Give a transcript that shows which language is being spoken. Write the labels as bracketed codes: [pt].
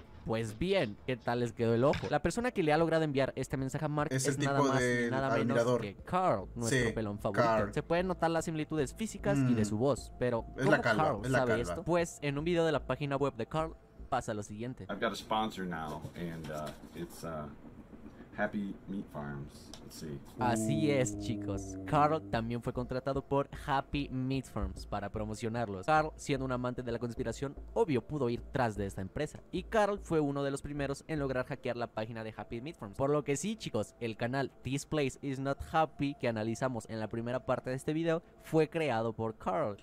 [es] Pues bien, ¿qué tal les quedó el ojo? La persona que le ha logrado enviar este mensaje a Mark es nada más y nada menos que Carl, nuestro pelón favorito. Carl. Se pueden notar las similitudes físicas y de su voz, pero es ¿cómo la calva, Carl es la sabe calva. Esto? Pues en un video de la página web de Carl pasa lo siguiente. [en] I've got a sponsor now, and it's Happy Meat Farms. Let's see. [es] Así es, chicos. Carl también fue contratado por Happy Meat Farms para promocionarlos. Carl, siendo un amante de la conspiración, obvio pudo ir tras de esta empresa. Y Carl fue uno de los primeros en lograr hackear la página de Happy Meat Farms. Por lo que sí, chicos, el canal This Place Is Not Happy, que analizamos en la primera parte de este video, fue creado por Carl.